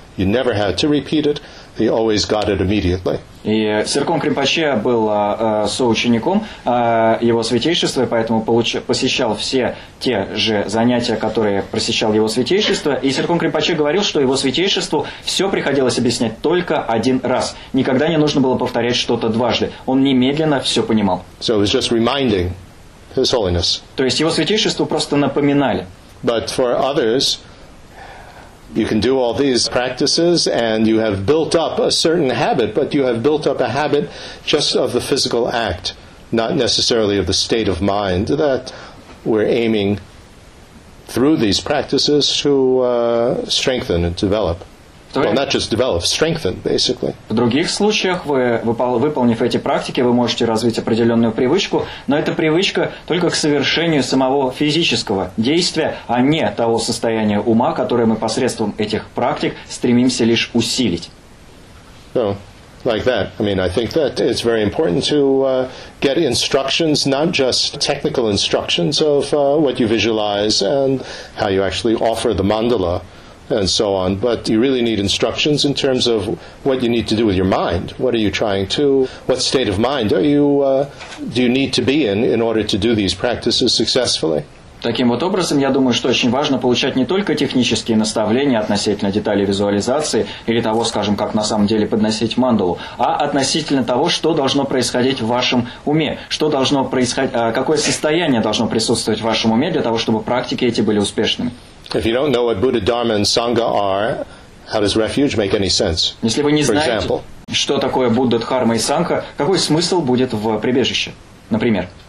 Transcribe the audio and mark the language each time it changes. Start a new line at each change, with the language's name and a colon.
English: You never had to repeat it. He always got it immediately.
Russian: И Сиркон Кримпаче был соучеником его святейшества, поэтому посещал все те же занятия, которые посещал его святейшество. И Сиркон Кримпаче говорил, что его святейшеству все приходилось объяснять только один раз. Никогда не нужно было повторять что-то дважды. Он немедленно все понимал.
English: So it was just reminding His Holiness.
Russian: То есть его святейшеству просто напоминали.
English: But for others, you can do all these practices and you have built up a certain habit, but you have built up a habit just of the physical act, not necessarily of the state of mind that we're aiming through these practices to strengthen and develop. Well, not just develop, strengthen, basically.
Russian: В других случаях, выполнив эти практики, вы можете развить определенную привычку, но эта привычка только к совершению самого физического действия, а не того состояния ума, которое мы посредством этих практик стремимся лишь усилить.
English: So, like that. I mean, I think that it's very important to get instructions, not just technical instructions of what you visualize and how you actually offer the mandala, and so on, but you really need instructions in terms of what you need to do with your mind. What are you trying to, what state of mind are you, do you need to be in order to do these practices successfully?
Russian: Таким вот образом, я думаю, что очень важно получать не только технические наставления относительно деталей визуализации или того, скажем, как на самом деле подносить мандалу, а относительно того, что должно происходить в вашем уме, что должно происходить, какое состояние должно присутствовать в вашем уме для того, чтобы практики эти были успешными.
English: If you don't know what Buddha, Dharma, and Sangha are, How does refuge make any sense?
Russian: Если вы не знаете,
English: example,
Russian: что такое Будда, Дхарма и Сангха, какой смысл будет в прибежище, например?